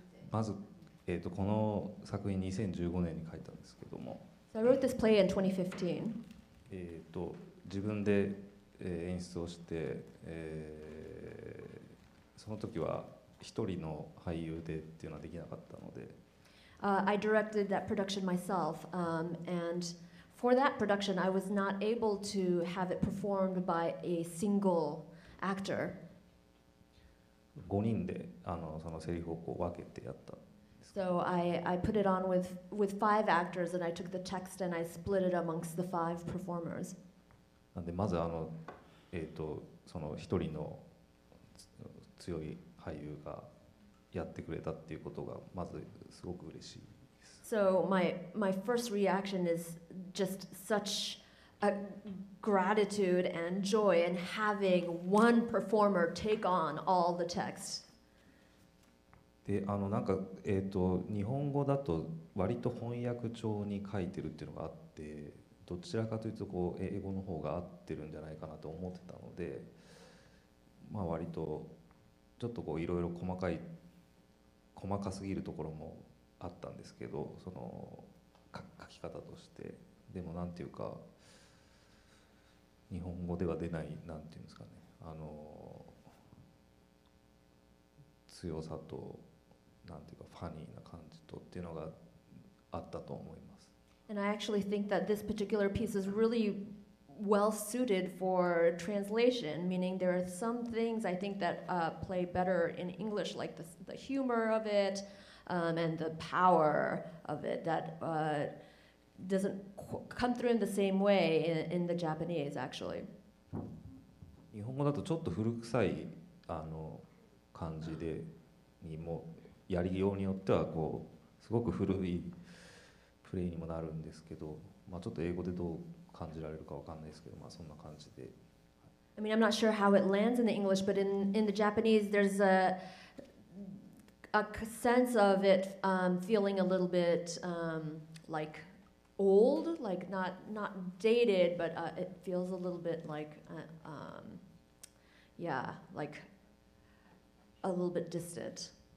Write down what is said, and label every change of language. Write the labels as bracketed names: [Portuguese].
[Japanese] まず、この作品2015年に書いたんですけども。 [English] So I wrote this play in 2015. [Japanese] 自分で、演出をして、その時は一人の俳優でっていうのはできなかったので、 [English] I directed that production myself, and for that production I was not able to have it performed by a single actor. [Japanese] 5人でそのセリフをこう分けてやった。 [English] So I put it on with five actors, and I took the text and I split it amongst the five performers. [Japanese] なんでまずその一人の強い俳優がやってくれたっていうことがまずすごく嬉しいです。 [English] So my first reaction is just such a gratitude and joy in having one performer take on all the text. [Japanese] なんか日本語だと割と翻訳調に書いてるっていうのがあって、どちらかというとこう英語の方が合ってるんじゃないかなと思ってたので、まあ割とちょっとこういろいろ細かすぎるところもあったんですけど、その書き方として、でもなんていうか日本語では出ない、なんていうんですかね、強さと、なんていうかファニーな感じとっていうのがあったと思います。 [English] And I actually think that this particular piece is really well suited for translation, meaning there are some things I think that play better in English, like the humor of it, and the power of it that doesn't come through in the same way in the Japanese, actually. [Japanese] 日本語だとちょっと古臭い感じでにも。やりようによってはこうすごく古いプレイにもなるんですけど、まあ、ちょっと英語でどう感じられるかわかんないですけど、まあ、そんな感じで。 [English] I mean, I'm not sure how it lands in the English, but in the Japanese, there's a sense of it feeling a little bit like old, like not dated, but it feels a little bit like yeah, like a little bit distant.